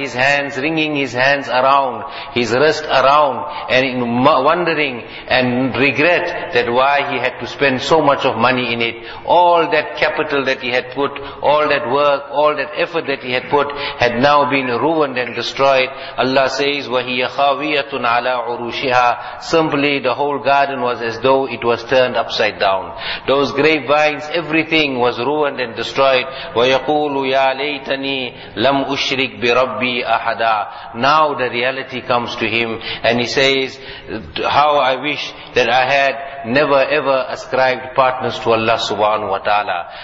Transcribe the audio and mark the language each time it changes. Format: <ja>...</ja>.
<en>his hands, wringing his hands around, his wrist around, and wondering and regret that why he had to spend so much of money in it. All that capital that he had put, all that work, all that effort that he had put, had now been ruined and destroyed. Allah says,</en> <ar>وَهِيَ خَاوِيَةٌ عَلَىٰ عُرُوشِهَا.</ar> <en>Simply, the whole garden was as though it was turned upside down. Those grapevines, everything was ruined and destroyed.</en> <ar>وَيَقُولُ يَا لَيْتَنِي لَمْ أُشْرِكْ بِرَبِّي أَحَدًا.</ar> <en>Now the reality comes to him, and he says, how I wish that I had never ever ascribed partners to Allah subhanahu wa ta'ala.</en>